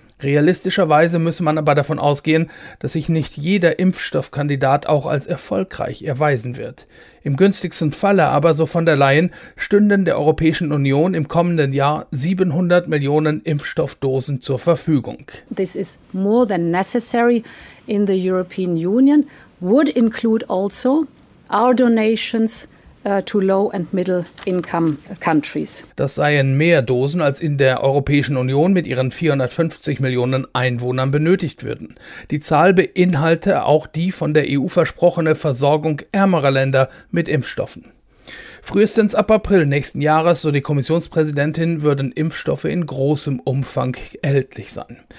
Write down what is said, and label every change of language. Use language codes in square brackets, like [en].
[de] Realistischerweise müsse man aber davon ausgehen, dass sich nicht jeder Impfstoffkandidat auch als erfolgreich erweisen wird. Im günstigsten Falle aber, so von der Leyen, stünden der Europäischen Union im kommenden Jahr 700 Millionen Impfstoffdosen zur Verfügung. [en] This is more than necessary in the European Union. Would include also our donations to low and middle income countries. [de] Das seien mehr Dosen, als in der Europäischen Union mit ihren 450 Millionen Einwohnern benötigt würden. Die Zahl beinhalte auch die von der EU versprochene Versorgung ärmerer Länder mit Impfstoffen. Frühestens ab April nächsten Jahres, so die Kommissionspräsidentin, würden Impfstoffe in großem Umfang erhältlich sein.